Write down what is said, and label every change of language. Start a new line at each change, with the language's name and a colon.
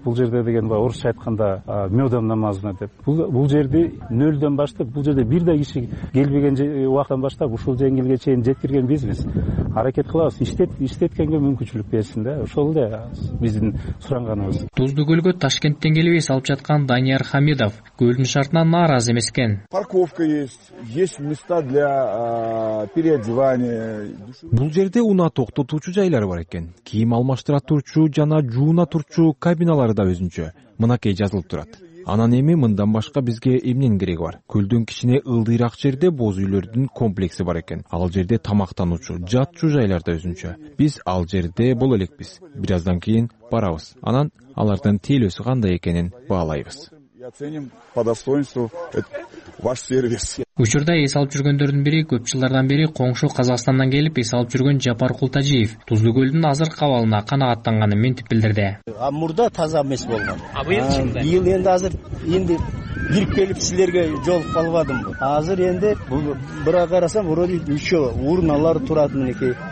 Kyrgyz: Бул жерде деген баягы орусча айтканда
Russian: мёдом намазына
Kyrgyz: деп. Бул жерди нөлдөн баштап, бул жерде бир да киши келбеген убактан баштап ушул деңгээлге чейин жеткирген бизбиз. Аракет кылабыз. Иштеткенге мүмкүнчүлүк берсин да. Ошол эле биздин суранганыбыз. Тузду көлгө Ташкенттен келип салып жаткан Данияр Хамидов көлдүн шартына нааразы эмес экен.
Russian: Парковка есть места для переодевания.
Kyrgyz: Бул жерде унаа токтотуучу жайлар бар экен. Кийим алмаштыра турчу жана жууна турчу кабиналары да өзүнчө. Мынакей жазылып турат. Анан эми мындан башка бизге эмнен кереги бар? Көлдүн кичине ылдыйрак жерде боз үйлөрдүн комплекси бар экен. Ал жерде тамактануучу, жатчу жайлар да өзүнчө. Биз ал жерде боло элекпиз. Бир аздан кийин барабыз. Анан алардын тейлөөсү кандай экенин баалайбыз.
Russian: Оценим по достоинству ваш сервис.
Kyrgyz: Учурда эс алып жүргөндөрдүн бири көп жылдардан бери коңшу Казакстандан келип эс алып жүргөн Жапар Култажиев Туздуу көлдүн азыркы абалына канагаттанганын мынтип билдирди. А мурда таза эмес болгон. А быйыл энди азыр энди кирип келип силерге жолуп албадым. Азыр энди бир карасам
Russian: вроде еще
Kyrgyz: урналар турат мынакей.